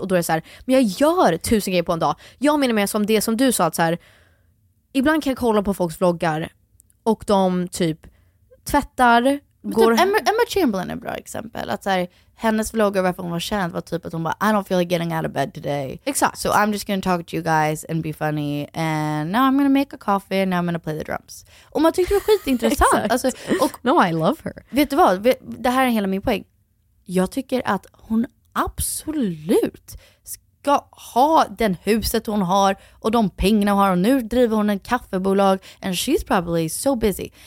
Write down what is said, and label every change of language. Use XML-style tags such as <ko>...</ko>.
<sv>Och då är det så här, men jag gör 1000 grejer på en dag. Jag menar mer som det som du sa, att så här, ibland kan jag kolla på folks vloggar och de typ tvättar. Går... Typ Emma Chamberlain är ett bra exempel. Att så här, hennes vloggar, varför hon var känd, var typ att hon bara,</sv> <en>I don't feel like getting out of bed today.</en> <sv>Exakt.</sv> <en>So I'm just gonna talk to you guys and be funny. And now I'm gonna make a coffee and now I'm gonna play the drums.</en> <sv>Och man tycker det är skitintressant. Exakt. Alltså, och,</sv> <en>no, I love her.</en> <sv>Vet du vad? Det här är hela min poäng. Jag tycker att hon absolut ska ha den huset hon har och de pengarna hon har. Och nu driver hon en kaffebolag</sv> <en>and she's probably so busy.</en>